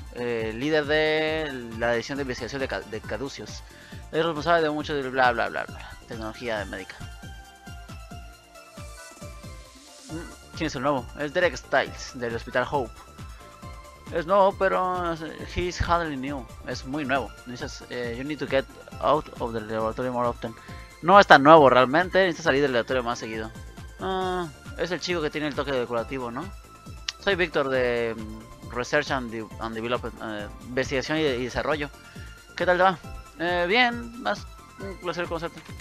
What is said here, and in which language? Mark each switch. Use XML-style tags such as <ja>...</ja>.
<es>Líder de la división de investigación de Caduceus. Es responsable de mucho de bla, bla, bla, bla. Tecnología médica. ¿Quién es el nuevo? Es Derek Stiles, del Hospital Hope. Es nuevo, pero</es> <en>he's hardly new.</en> <es>Es muy nuevo.</es> <en>Dices, you need to get out of the laboratory more often.</en> <es>No es tan nuevo realmente, necesitas salir del laboratorio más seguido. Es el chico que tiene el toque decorativo, ¿no? Soy Víctor de Research and Development, investigación y desarrollo. ¿Qué tal te va? Bien, más un placer conocerte.</es>